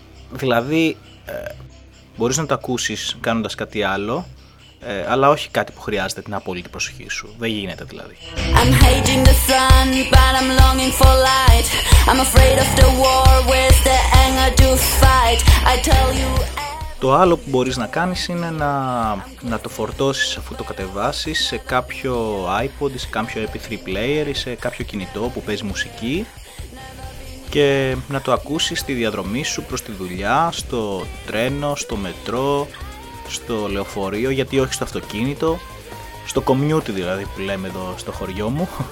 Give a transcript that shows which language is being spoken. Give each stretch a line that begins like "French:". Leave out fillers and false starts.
Greek: Δηλαδή μπορείς να το ακούσεις κάνοντας κάτι άλλο, αλλά όχι κάτι που χρειάζεται την απόλυτη προσοχή σου. Δεν γίνεται δηλαδή.
English: I'm hating the sun, but I'm longing for light. I'm afraid of the war with the anger to fight. I tell you...
Greek: Το άλλο που μπορείς να κάνεις είναι να το φορτώσεις αφού το κατεβάσεις σε κάποιο iPod, σε κάποιο MP3 player ή σε κάποιο κινητό που παίζει μουσική και να το ακούσεις στη διαδρομή σου προς τη δουλειά, στο τρένο, στο μετρό, στο λεωφορείο, γιατί όχι στο αυτοκίνητο, στο community δηλαδή που λέμε εδώ στο χωριό μου,